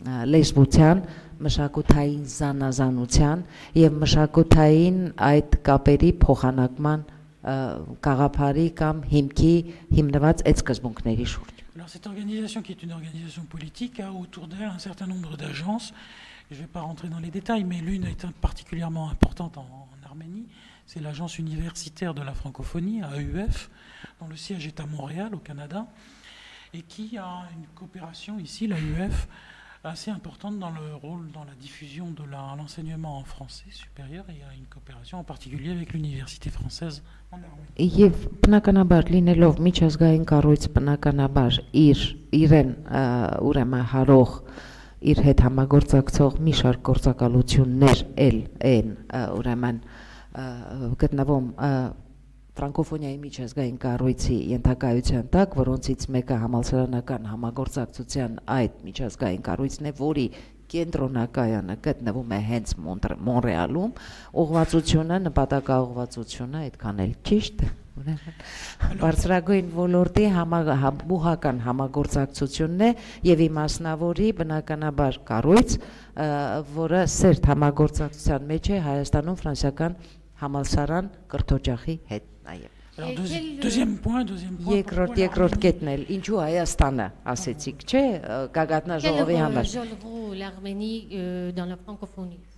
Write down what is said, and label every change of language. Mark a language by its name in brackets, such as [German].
[Armenian] լեզվության, մշակութային զանազանության եւ մշակութային այդ կապերի փոխանակման գաղափարի կամ հիմքի հիմնված այդ սկզբունքների շուրջ։ [French] Alors cette organisation qui est une organisation politique a autour d'elle un certain nombre d'agences. Je ne vais pas rentrer dans les détails, mais l'une est particulièrement importante en Arménie, c'est l'Agence universitaire de la francophonie, AUF, dont le siège est à Montréal au Canada, et qui a une coopération ici, l'AUF, assez importante dans le rôle, dans la diffusion de l'enseignement en français supérieur, et il y a une coopération en particulier avec l'université française. [Armenian] Եվ բնականաբար լինելով միջազգային կառույց, բնականաբար իրեն ուրեմն հարող, իր հետ համագործակցող մի շարք գործակալություններ էլ են ուրեմն գտնվում ֆրանկոֆոնիայի միջազգային կառույցի ենթակայության տակ, որոնցից մեկը համալսարանական համագործակցության այդ միջազգային կառույցն է, որի կենտրոնակայանը գտնվում է հենց Մոնրեալում, ուղղվածությունը, նպատակաուղղվածությունը այդքան էլ ճիշտ բարձրագույն ոլորտի համահաբուհական համագործակցությունն է, եւ իմաստնավորի բնականաբար կառույց, որը սերտ համագործակցության մեջ է Հայաստանում ֆրանսիական համալսարան կրթօջախի հետ նաեւ։ Երկրորդ կետն էլ, ինչու Հայաստանը, ասեցիք, չէ՞, գագաթնաժողովի համար։ [French] L'Arménie dans la francophonie.